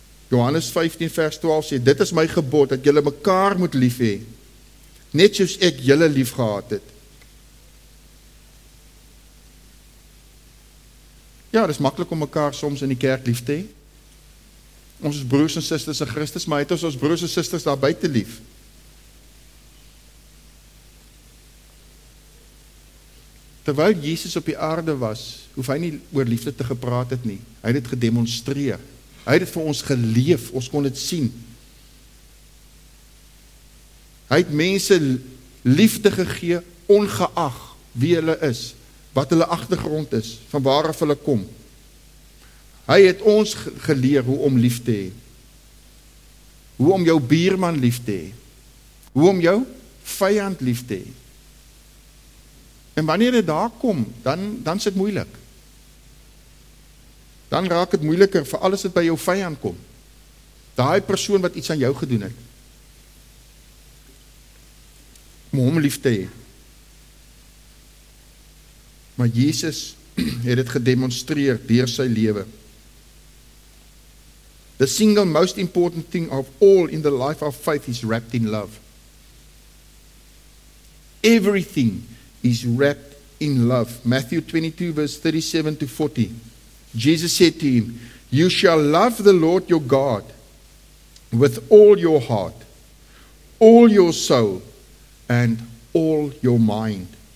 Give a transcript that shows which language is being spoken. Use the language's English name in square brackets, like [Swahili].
[Afrikaans] Johannes 15 vers 12 sê, dit is my gebod, dat julle mekaar moet lief hê, net soos ek julle lief gehad het. Ja, dit is makkelijk om mekaar soms in die kerk lief te hê. Ons is broers en susters in Christus, maar het ons als broers en susters daar buite lief. Terwyl Jesus op die aarde was, hoef hy nie oor liefde te gepraat het nie. Hy het dit gedemonstreer. Hy het dit vir ons geleef, ons kon dit sien. Hy het mense liefde gegee, ongeag wie hulle is, wat hulle agtergrond is, van waar af hulle kom. Hy het ons geleer hoe om lief te hê. Hoe om jou buurman lief te hê. Hoe om jou vyand lief te hê. En wanneer dit daar kom, dan is dit moeilik. Dan raak dit moeiliker vir alles wat by jou vyand kom. Daai persoon wat iets aan jou gedoen het. Om hom lief te hê. Maar Jesus het dit gedemonstreer deur sy lewe. [English] The single most important thing of all in the life of faith is wrapped in love. Everything is wrapped in love. Matthew 22 verse 37 to 40. Jesus said to him, you shall love the Lord your God with all your heart, all your soul, and all your mind.